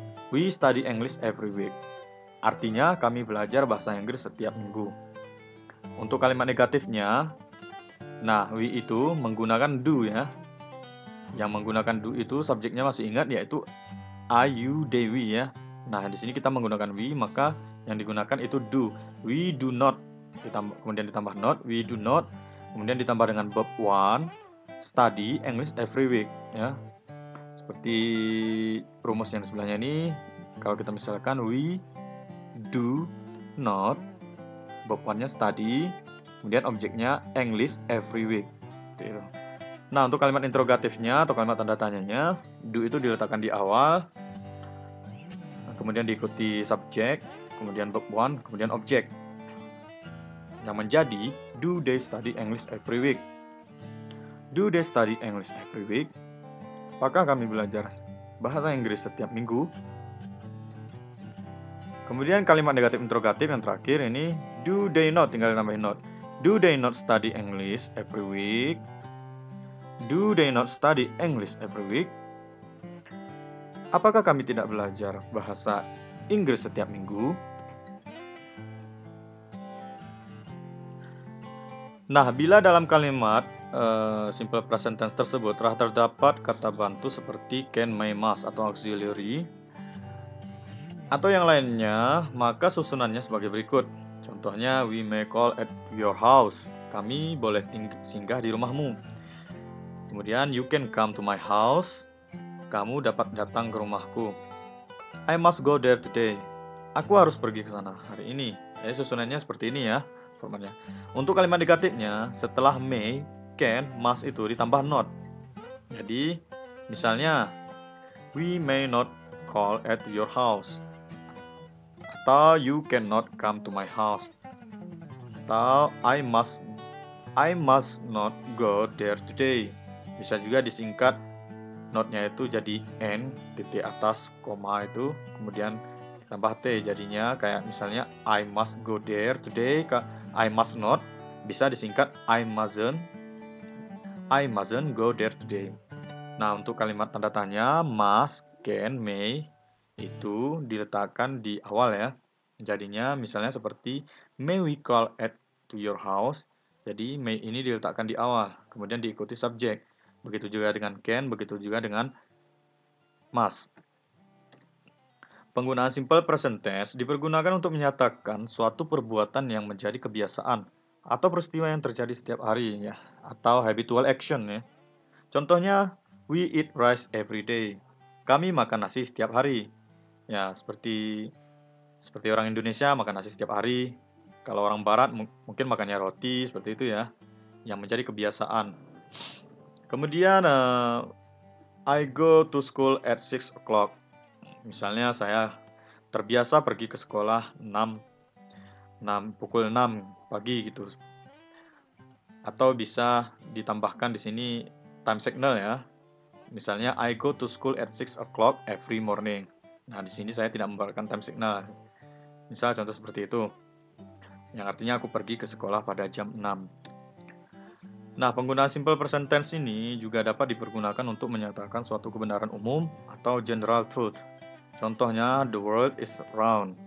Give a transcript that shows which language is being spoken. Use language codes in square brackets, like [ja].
[en] We study English every week. [id] Artinya, kami belajar bahasa Inggris setiap minggu. Untuk kalimat negatifnya, nah, [en] we itu menggunakan do [id] ya. Yang menggunakan do itu subjeknya masih ingat yaitu I, you, they, we ya. Nah, di sini kita menggunakan we, maka yang digunakan itu do. [en] We do not, kemudian ditambah not, we do not, [id] kemudian ditambah dengan [en] verb one, study English every week ya. [id] Seperti rumus yang sebelahnya ini, kalau kita misalkan [en] we do not, [id] verb one-nya study, kemudian objeknya English every week. Gitu. Nah, untuk kalimat interrogatifnya atau kalimat tanda tanyanya, do itu diletakkan di awal, kemudian diikuti subjek, kemudian verb one, kemudian objek. Yang menjadi, [en] do they study English every week? Do they study English every week? [id] Apakah kami belajar bahasa Inggris setiap minggu? Kemudian kalimat negatif interrogatif yang terakhir ini, [en] do they not, [id] tinggal nambahin not. [en] Do they not study English every week? Do they not study English every week? [id] Apakah kami tidak belajar bahasa Inggris setiap minggu? Nah, bila dalam kalimat simple present tense tersebut telah terdapat kata bantu seperti can, may, must atau auxiliary atau yang lainnya, maka susunannya sebagai berikut. [en] Contohnya, we may call at your house. [id] Kami boleh singgah di rumahmu. [en] Kemudian, you can come to my house. [id] Kamu dapat datang ke rumahku. [en] I must go there today. [id] Aku harus pergi ke sana hari ini. Jadi susunannya seperti ini ya formatnya. Untuk kalimat negatifnya, setelah may, can, must itu ditambah not. Jadi, misalnya, [en] we may not call at your house. Atau you cannot come to my house. Atau I must not go there today. [id] Bisa juga disingkat notnya itu jadi n titik atas koma itu kemudian tambah t jadinya kayak misalnya [en] I must go there today. I must not [id] bisa disingkat [en] I mustn't go there today. [id] Nah, untuk kalimat tanda tanya must, can, may itu diletakkan di awal ya. Jadinya misalnya seperti [en] may we call at to your house. [id] Jadi may ini diletakkan di awal, kemudian diikuti subjek. Begitu juga dengan can, begitu juga dengan must. Penggunaan simple present tense dipergunakan untuk menyatakan suatu perbuatan yang menjadi kebiasaan atau peristiwa yang terjadi setiap hari ya, atau habitual action ya. [en] Contohnya we eat rice every day. [id] Kami makan nasi setiap hari. Ya, seperti orang Indonesia makan nasi setiap hari. Kalau orang Barat mungkin makannya roti, seperti itu ya. Yang menjadi kebiasaan. [en] Kemudian, I go to school at 6 o'clock. [id] Misalnya saya terbiasa pergi ke sekolah pukul 6 pagi gitu. Atau bisa ditambahkan di sini time signal ya. Misalnya, [en] I go to school at 6 o'clock every morning. [id] Nah, di sini saya tidak memberikan time signal. Misal contoh seperti itu. Yang artinya aku pergi ke sekolah pada jam 6. Nah, penggunaan simple present tense ini juga dapat dipergunakan untuk menyatakan suatu kebenaran umum atau general truth. [en] Contohnya, the world is round.